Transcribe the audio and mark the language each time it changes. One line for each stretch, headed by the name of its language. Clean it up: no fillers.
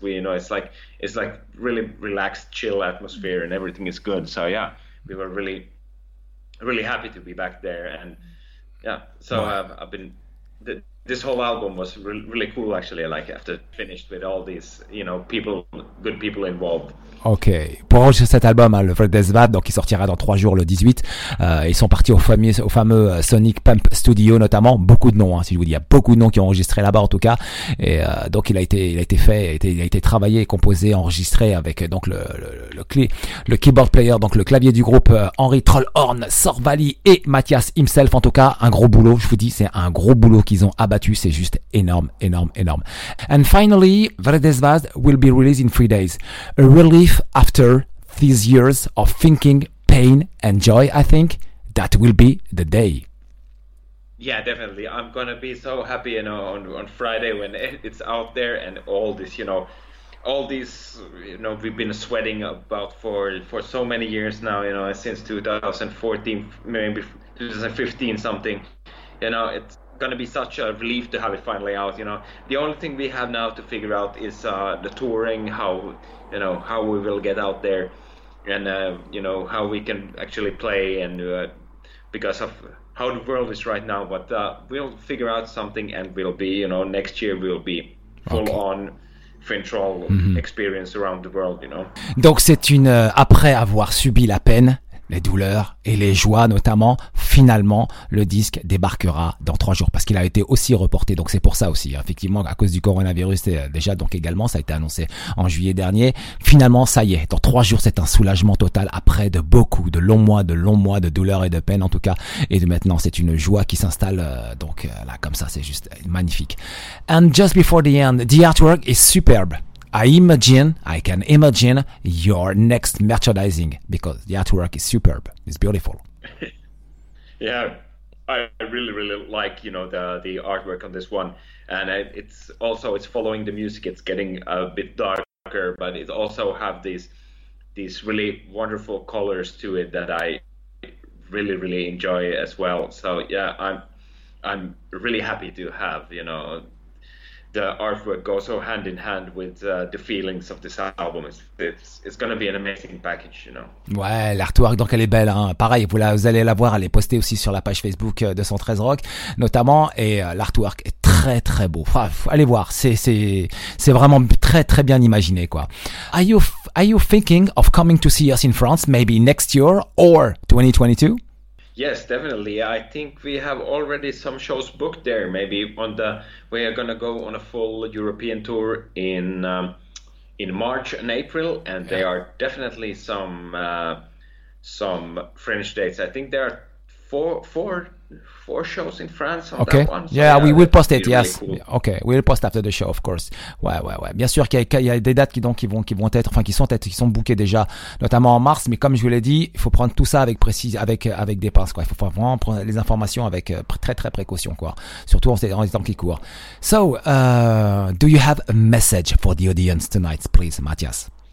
English: We, you know, it's like really relaxed, chill atmosphere, and everything is good. So yeah, we were really, really happy to be back there. And yeah, so I've been, this whole album was really cool, actually, like after finished with all these, you know, people, good people involved.
French: Ok, pour enregistrer cet album, hein, le Fred Desvad, donc qui sortira dans 3 jours le 18, ils sont partis au fameux Sonic Pump Studio notamment, beaucoup de noms, hein, si je vous dis, il y a beaucoup de noms qui ont enregistré là-bas en tout cas, et donc il a été travaillé, composé, enregistré avec donc le keyboard player, donc le clavier du groupe, Henry Trollhorn, Sorvali et Mathias himself, en tout cas un gros boulot, je vous dis, c'est un gros boulot qu'ils ont abattu, c'est juste énorme, énorme, énorme.
English: And finally, Fred Desvad will be released in 3 days, a really after these years of thinking, pain and joy, I think that will be the day. Yeah, definitely. I'm gonna be so happy, you know, on Friday when it's out there, and all this, you know, all these, you know, we've been sweating about for so many years now, you know, since 2014, maybe 2015 something, you know, it's gonna be such a relief to have it finally out. You know, the only thing we have now to figure out is the touring, how, you know, how we will get out there, and you know, how we can actually play, and because of how the world is right now. But we'll figure out something, and we'll be, you know, next year we'll be full on Fintroll experience around the world. You know.
French: Donc c'est une après avoir subi la peine, les douleurs et les joies notamment, finalement, le disque débarquera dans 3 jours parce qu'il a été aussi reporté. Donc, c'est pour ça aussi, effectivement, à cause du coronavirus, déjà, donc également, ça a été annoncé en juillet dernier. Finalement, ça y est, dans 3 jours, c'est un soulagement total après de beaucoup, de longs mois de douleurs et de peines, en tout cas. Et maintenant, c'est une joie qui s'installe. Donc, là, comme ça, c'est juste magnifique.
English: And just before the end, the artwork is superb. I can imagine your next merchandising because the artwork is superb. It's beautiful. Yeah, I really, really like, you know, the artwork on this one. And it's also, it's following the music. It's getting a bit darker, but it also have these really wonderful colors to it that I really, really enjoy as well. So yeah, I'm really happy to have, you know, the artwork goes so hand in hand with the feelings of this album. It's going to be an amazing package, you know.
French: Ouais, l'artwork, donc elle est belle, hein. Pareil, vous allez la voir, elle est postée aussi sur la page Facebook 213 Rock, notamment, et l'artwork est très, très beau. Enfin, allez voir, c'est vraiment très, très bien imaginé, quoi.
English: Are you thinking of coming to see us in France, maybe next year or 2022? Yes, definitely. I think we have already some shows booked there. Maybe on the, we are gonna go on a full European tour in March and April, and yeah, there are definitely some French dates. I think there are four shows in France on okay. that one. So yeah, yeah, we will post it. Yes. Really cool. Okay, we will post after the show, of course.
French: Ouais. Bien sûr qu'il y a des dates qui sont bookées déjà, notamment en mars. Mais comme je vous l'ai dit, il faut prendre tout ça avec précision, avec des pinces, quoi. Il faut vraiment prendre les informations avec très très précaution, quoi. Surtout en temps qui court.
English: So, do you have a message for the audience tonight, please, Mathias?